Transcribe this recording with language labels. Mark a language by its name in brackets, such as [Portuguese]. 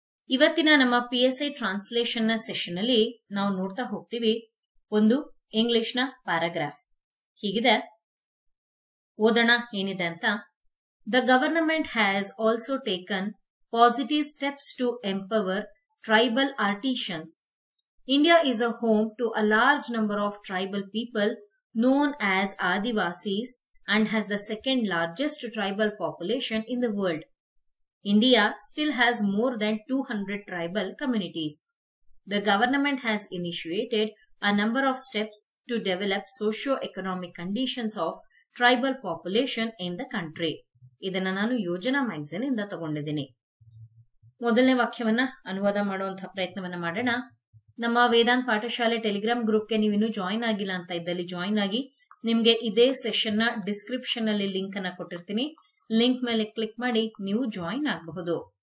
[Kannada] ಇವತ್ತಿನ ನಮ್ಮ PSI translation ನ ಸೆಷನ್ ಅಲ್ಲಿ ನಾವು ನೋಡ್ತಾ ಹೋಗ್ತೀವಿ ಒಂದು ಇಂಗ್ಲಿಷ್ ನ ಪ್ಯಾರಾಗ್ರಾಫ್ ಹೀಗಿದೆ, ಓದೋಣ ಏನಿದೆ ಅಂತ. [English] The government has also taken positive steps to empower tribal artisans. India is a home to a large number of tribal people known as Adivasis and has the second largest tribal population in the world. India still has more than 200 tribal communities. The government has initiated a number of steps to develop socio-economic conditions of tribal population in the country. [Kannada] ಇದನ್ನ ನಾನು ಯೋಜನಾ magazine ಇಂದ ತಗೊಂಡಿದ್ದೀನಿ. ಮೊದಲನೇ ವಾಕ್ಯವನ್ನ ಅನುವಾದ ಮಾಡುವಂತಹ ಪ್ರಯತ್ನವನ್ನ ಮಾಡೋಣ. ನಮ್ಮ ವೇದಾಂತ್ ಪಾಠಶಾಲೆ ಟೆಲಿಗ್ರಾಮ್ ಗ್ರೂಪ್ಗೆ ನೀವಿನ್ನು ಜಾಯಿನ್ ಆಗಿಲ್ಲ ಅಂತ ಇದ್ದಲ್ಲಿ ಜಾಯಿನ್ ಆಗಿ, ನಿಮ್ಗೆ ಇದೇ ಸೆಷನ್ ನ ಡಿಸ್ಕ್ರಿಪ್ಷನ್ ಅಲ್ಲಿ ಲಿಂಕ್ ಅನ್ನ ಕೊಟ್ಟಿರ್ತೀನಿ, ಲಿಂಕ್ ಮೇಲೆ ಕ್ಲಿಕ್ ಮಾಡಿ ನೀವು ಜಾಯಿನ್ ಆಗಬಹುದು.